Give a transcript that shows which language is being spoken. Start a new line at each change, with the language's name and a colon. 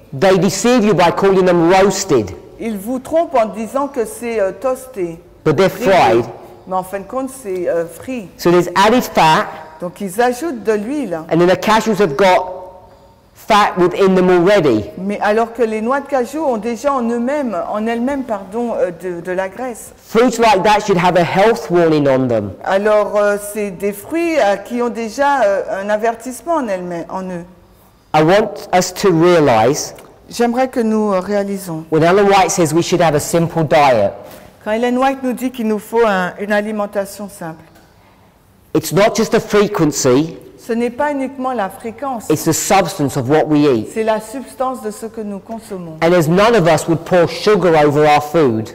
English: They deceive you by calling them roasted.
French: Ils vous trompent en disant que c'est toasté.
English: But they're fried.
French: Mais en fin de compte, c'est frit.
English: So there's added fat.
French: Donc ils ajoutent de l'huile.
English: And then the cashews have got fat within them already.
French: Mais alors que les noix de cajou ont déjà en eux-mêmes, en elles-mêmes, pardon, de la graisse.
English: Fruits like that should have a health warning on them.
French: Alors c'est des fruits qui ont déjà un avertissement en elles-mêmes, en eux.
English: I want us to realize.
French: J'aimerais que nous réalisons.
English: When Ellen White says we should have a simple diet.
French: Quand Ellen White nous dit qu'il nous faut une alimentation simple.
English: It's not just a frequency.
French: Ce n'est pas uniquement la fréquence.
English: It's the substance of what we eat.
French: C'est la substance de ce que nous consommons.
English: And as none of us would pour sugar over our food.